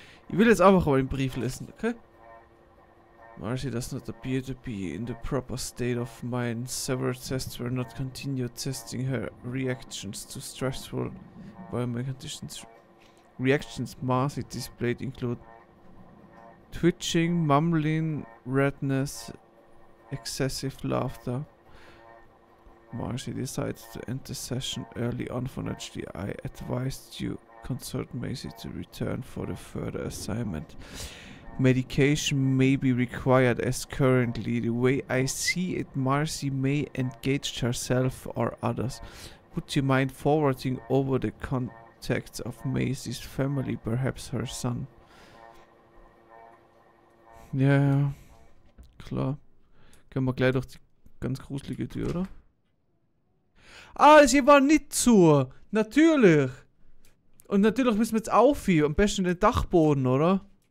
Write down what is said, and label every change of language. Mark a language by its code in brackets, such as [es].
[de] Ich will jetzt einfach mal den Brief lesen, okay? [en] Marcy does not appear to be in the proper state of mind. Several tests were not continued, testing her reactions to stressful environment conditions. reactions Mars is displayed include twitching, mumbling, redness, excessive laughter. Marcy decides to end the session early on for HDI. I advised you consult Macy to return for the further assignment. Medication may be required as currently the way I see it, Marcy may engage herself or others. Would you mind forwarding over the contacts of Macy's family, perhaps her son? [de] Ja, klar. Können wir gleich durch die ganz gruselige Tür, oder? Ah, sie war nicht zu! Natürlich! Und natürlich müssen wir jetzt auf hier, am besten den Dachboden, oder?